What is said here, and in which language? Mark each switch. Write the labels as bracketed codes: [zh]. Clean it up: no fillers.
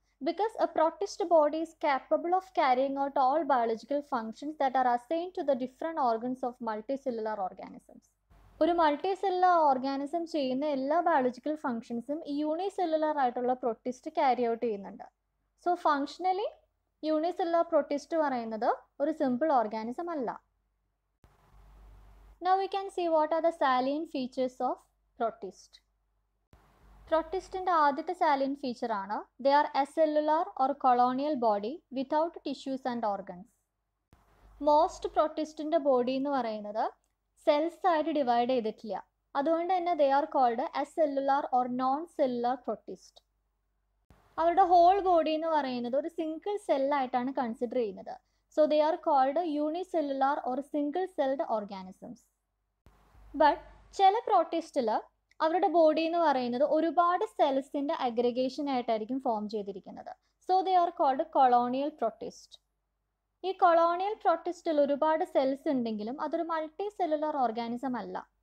[en] Because a protist body is capable of carrying out all biological functions that are assign to the different organs of multi cellular organisms. [ml] ഒരു multi cellular organism ചെയ്യുന്ന എല്ലാ biological ഫങ്ഷൻസും യൂണി cellular ആയിട്ടുള്ള protist carry out ചെയ്യുന്നുണ്ട്. So functionally യൂണി cellular protist പറയുന്നത് ഒരു simple organism അല്ല. [en] Now we can see what are the salient features of protist. [ml] Protist-ന്റെ ആദ്യത്തെ salient feature ആണ് [en] they are acellular or colonial body without tissues and organs. [ml] Most protist-ന്റെ body എന്ന് പറയുന്നത് cells ആയിട്ട് divide ചെയ്തിട്ടില്ല, അതുകൊണ്ട് തന്നെ [en] they are called acellular or non-cellular protist. [ml] അവരുടെ whole body എന്ന് പറയുന്നത് ഒരു single cell ആയിട്ടാണ് consider ചെയ്യുന്നത്. [en] So they are called unicellular or single-celled organisms. [ml] But ചില പ്രോട്ടിസ്റ്റിൽ അവരുടെ ബോഡി എന്ന് പറയുന്നത് ഒരുപാട് സെൽസിൻ്റെ അഗ്രഗേഷൻ ആയിട്ടായിരിക്കും ഫോം ചെയ്തിരിക്കുന്നത്. [en] So they are called colonial protist. [ml] ഈ കൊളോണിയൽ പ്രോട്ടിസ്റ്റിൽ ഒരുപാട് സെൽസ് ഉണ്ടെങ്കിലും അതൊരു മൾട്ടി സെല്ലുലർ ഓർഗാനിസം അല്ല.